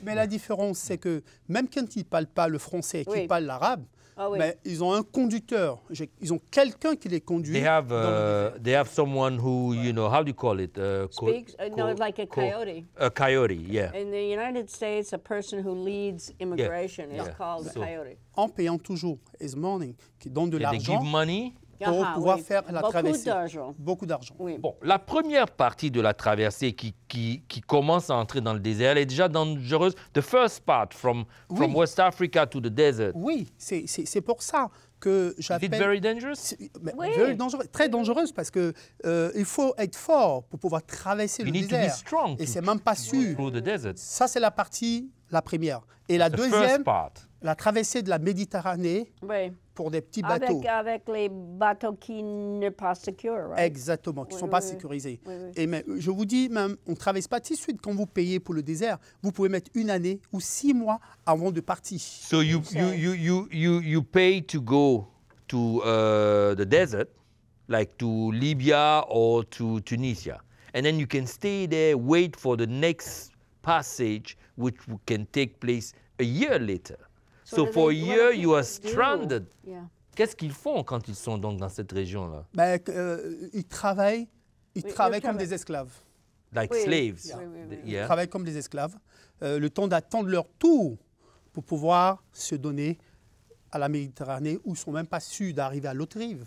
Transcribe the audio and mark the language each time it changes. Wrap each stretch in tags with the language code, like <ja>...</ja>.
<fr>Mais la différence, c'est que même quand ils ne parlent pas le français, qu'ils parlent l'arabe, mais ils ont un conducteur. Ils ont quelqu'un qui les conduit.</fr> <en>They have, they have someone who, you know, how do you call it? Speaks, like a coyote. A coyote, yeah. In the United States, a person who leads immigration is called a coyote.</en> <fr>En payant toujours,</fr> <en>is money,</en> <fr>qui donne de l'argent.</fr> <en>They give money.</en> <fr>Pour pouvoir faire la traversée. Beaucoup d'argent. Oui. Bon, la première partie de la traversée qui commence à entrer dans le désert, elle est déjà dangereuse.</fr> <en>The first part from West Africa to the desert.</en> <fr>Oui, c'est pour ça que j'appelle.</fr> <en>Is it very dangerous?</en> <fr>Very dangereux, très dangereuse parce que il faut être fort pour pouvoir traverser</fr> <en>you</en> <fr>le désert.</fr> <en>You need to be strong.</en> <fr>Et c'est même pas sûr.</fr> <en>Through the desert.</en> <fr>Ça c'est la partie la première. Et la</fr> <en>the</en> <fr>deuxième, la traversée de la Méditerranée. Oui. Pour des petits bateaux. Avec les bateaux qui ne sont pas sécurisés, right? Exactement, qui ne sont pas sécurisés. Et mais je vous dis, même, on ne traverse pas tout de suite. Quand vous payez pour le désert, vous pouvez mettre une année ou six mois avant de partir.</fr> <en>So you pay to go to the desert, like to Libya or to Tunisia. And then you can stay there, wait for the next passage, which can take place a year later. So for a year, you are stranded. Yeah.</en> <fr>Qu'est-ce qu'ils font quand ils sont donc dans cette région-là? Ils travaillent comme des esclaves.</fr> <en>Like slaves. Yeah.</en> <fr>Ils travaillent comme des esclaves. Le temps d'attendre leur tour pour pouvoir se donner à la Méditerranée où ils ne sont même pas sûrs d'arriver à l'autre rive.</fr>